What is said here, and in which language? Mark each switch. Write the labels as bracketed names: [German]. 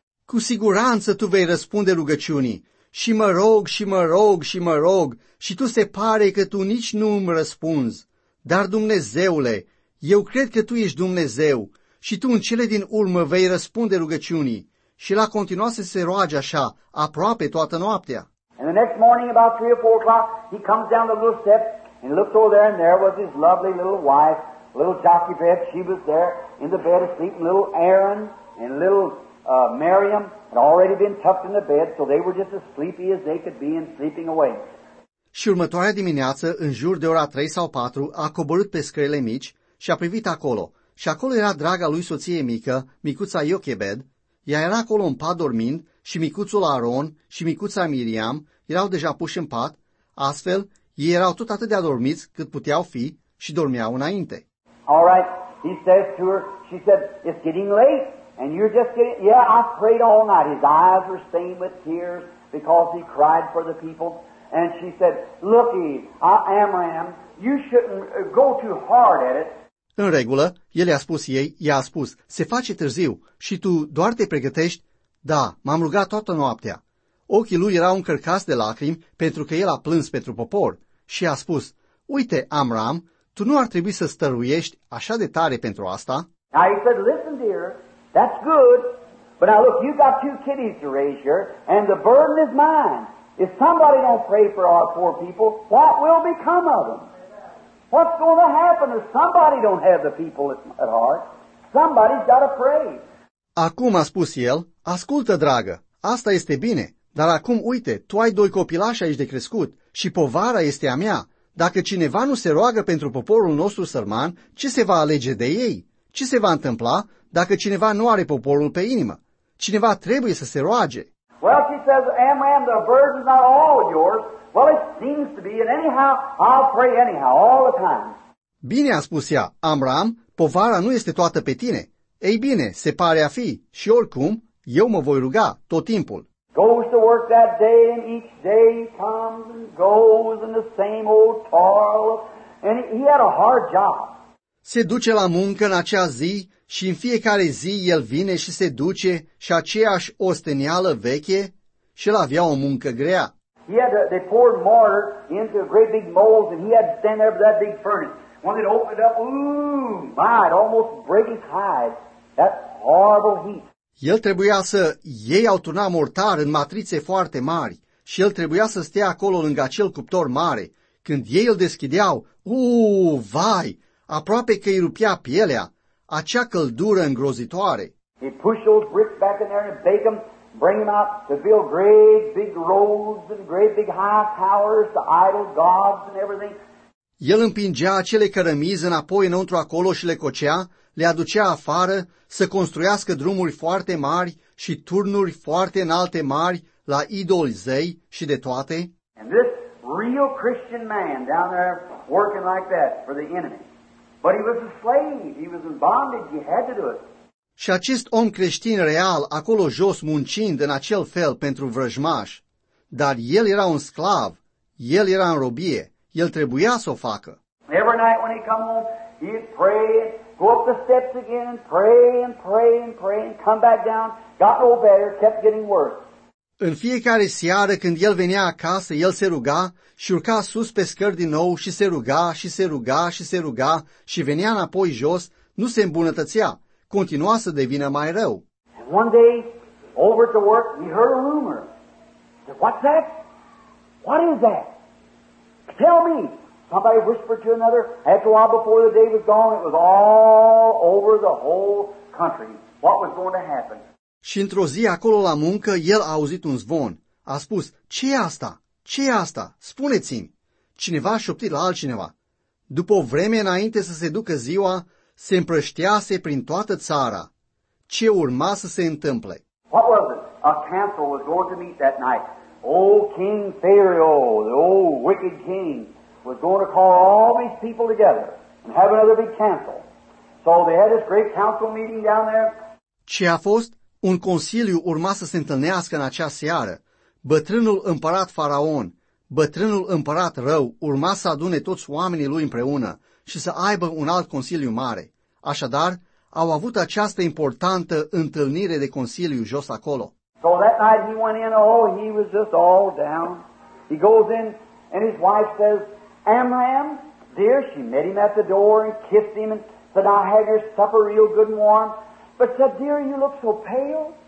[Romanian] Cu siguranță tu vei răspunde rugăciunii. Și mă rog și mă rog și mă rog și tu se pare că tu nici nu îmi răspunzi. Dar Dumnezeule, eu cred că tu ești Dumnezeu. Și tu în cele din urmă vei răspunde rugăciunii. Și la continuat să se roage așa, aproape toată noaptea. [English] And the next morning, about 3 or 4 o'clock, he comes down the little steps and looks over there and there was his lovely little wife, little Jochebed. She was there in the bed asleep and little Aaron and little Miriam had already been tucked in the bed so they were just as sleepy as they could be and sleeping away. [Romanian] Și următoarea dimineață, în jur de ora 3 sau 4, a coborât pe scările mici și a privit acolo. Și acolo era draga lui soție mică, micuța Jochebed, ea era acolo în pat dormind și micuțul Aaron și micuța Miriam erau deja puși în pat, astfel ei erau tot atât de adormiți cât puteau fi și dormeau înainte. [English] All right, he says to her, she said, it's getting late and you're just getting, yeah, I prayed all night. His eyes were stained with tears because he cried for the people. And she said, looky, Amram, you shouldn't go too hard at it. [Romanian] În regulă, el i-a spus ei, i-a spus, se face târziu și tu doar te pregătești? Da, m-am rugat toată noaptea. Ochii lui erau încărcați de lacrimi pentru că el a plâns pentru popor și i-a spus, uite, Amram, tu nu ar trebui să stăruiești așa de tare pentru asta? [English] Now he said, listen, dear, that's good, but now look, you got 2 kiddies to raise here and the burden is mine. If somebody don't pray for our poor people, what will become of them? What's going to happen if somebody don't have the people at heart? Somebody's got to pray. [Romanian] Acum a spus el, ascultă, dragă, asta este bine, dar acum uite, tu ai 2 copilași aici de crescut și povara este a mea. Dacă cineva nu se roagă pentru poporul nostru sărman, ce se va alege de ei? Ce se va întâmpla dacă cineva nu are poporul pe inimă? Cineva trebuie să se roage. [English] Well, she says, Amram, the burden's not all yours. Well, it seems to be, and anyhow, I'll pray anyhow, all the time. [Romanian] Bine a spus ea, Amram, povara nu este toată pe tine. Ei bine, se pare a fi, și oricum, eu mă voi ruga tot timpul. [English] Goes to work that day, and each day comes and goes, and the same old toil, and he had a hard job. [Romanian] Se duce la muncă în acea zi, și în fiecare zi el vine și se duce, și aceeași osteneală veche, și el avea o muncă grea. [English] He had to, they poured mortar into a great big mold and he had to stand there with that big furnace. When it opened up, ooh, my, it almost break his hide. That horrible heat. [Romanian] El trebuia să... Ei au turnat mortar în matrițe foarte mari și el trebuia să stea acolo lângă acel cuptor mare. Când ei îl deschideau, vai, aproape că îi rupea pielea, acea căldură îngrozitoare. [English] He pushed those bricks back in there and bake them, bring them out to build great big roads and great big high towers to idol gods and everything. [Romanian] El împingea acele cărămizi înapoi înăuntru acolo și le cocea, le aducea afară să construiască drumuri foarte mari și turnuri foarte înalte mari la idoli zei și de toate. [English] And this real Christian man down there working like that for the enemy. But he was a slave. He was in bondage. He had to do it. [Romanian] Și acest om creștin real, acolo jos, muncind în acel fel pentru vrăjmaș, dar el era un sclav, el era în robie, el trebuia să o facă. [English] Every night when he'd come home, he'd pray, go up the steps again, pray and pray and pray, and come back down, got no better, kept getting worse. [Romanian] În fiecare seară când el venea acasă, el se ruga și urca sus pe scări din nou și se ruga și se ruga și se ruga și venea înapoi jos, nu se îmbunătățea. Continua să devină mai rău. [English] One day, over at the work, he heard a rumor. Said, "What's that? What is that? Tell me." Somebody whispered to another. After a while, before the day was gone, it was all over the whole country. What was going to happen? [Romanian] Și într-o zi, acolo la muncă, el a auzit un zvon. A spus, "Ce e asta? Ce e asta? Spuneți-mi." Cineva a șoptit la altcineva. După o vreme înainte să se ducă ziua, se împrăștease prin toată țara. Ce urma să se întâmple? [English] What was it? A council was going to meet that night. Old King Pharaoh, the old wicked king, was going to call all these people together and have another big council. So they had this great council meeting down there. [Romanian] Ce a fost? Un consiliu urma să se întâlnească în acea seară. Bătrânul împărat Faraon, bătrânul împărat rău, urma să adune toți oamenii lui împreună și să aibă un alt consiliu mare. Așadar, au avut această importantă întâlnire de consiliu jos acolo. [English] So that night he went in, oh, he was just all down. He goes in and his wife says, "Amram, dear," she met him at the door and kissed him and said, "I have your supper real good and warm." But said, "Dear, you look so pale.